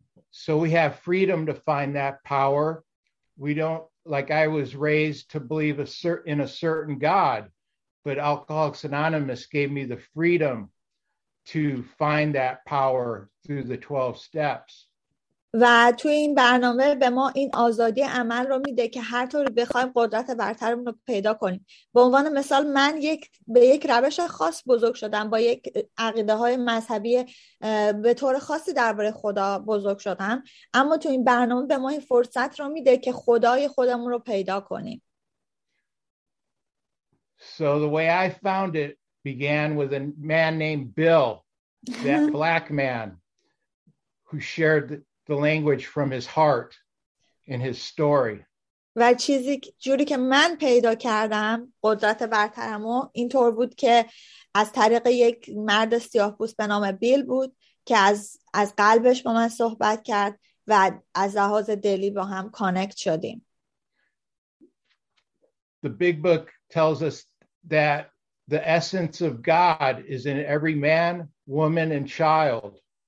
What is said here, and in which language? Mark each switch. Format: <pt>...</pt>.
<en>So we have freedom to find that power. We don't, like I was raised to believe in a certain God, but Alcoholics Anonymous gave me the freedom to find that power through the 12 steps.</en> <fa>و تو این برنامه به ما این آزادی عمل رو میده که هر طور بخوایم قدرت برترمون رو پیدا کنیم. به عنوان مثال من به یک روش خاص بزرگ شدم، با یک عقیده های مذهبی به طور خاصی درباره خدا بزرگ شدم، اما تو این برنامه به ما این فرصت رو میده که خدای خودمون رو پیدا کنیم.</fa> <en>So the way I found it began with a man named Bill, that black man who shared the language from his heart in his story.</en> <fa>و چیزی جوری که من پیدا کردم قدرت برترمو این طور بود که از طریق یک مرد سیاه‌پوست به نام بیل بود که از قلبش با من صحبت کرد و از لحاظ دلی با هم کانکت شدیم.</fa> <en>The big book tells us that the essence of God is in every man, woman and child.</en>